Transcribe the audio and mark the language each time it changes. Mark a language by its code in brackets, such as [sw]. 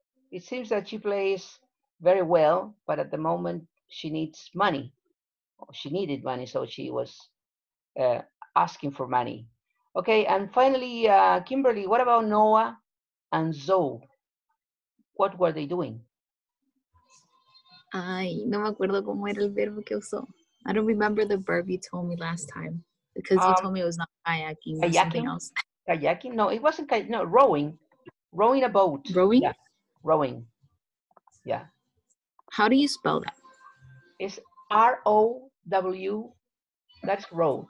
[en] It seems that she plays very well, but at the moment she needs money. She needed money, so she was asking for money. Okay, and finally, Kimberly, what about Noah and Zoe? What were they doing? [es] Ay, no me acuerdo cómo era el verbo que usó. [en] I don't remember the verb you told me last time, because you told me it was not kayaking, it was kayaking? Something else. Kayaking? No, it wasn't kayaking. No, rowing. Rowing a boat. Rowing? Yeah. Rowing. Yeah. How do you spell that? It's R-O-W. That's row.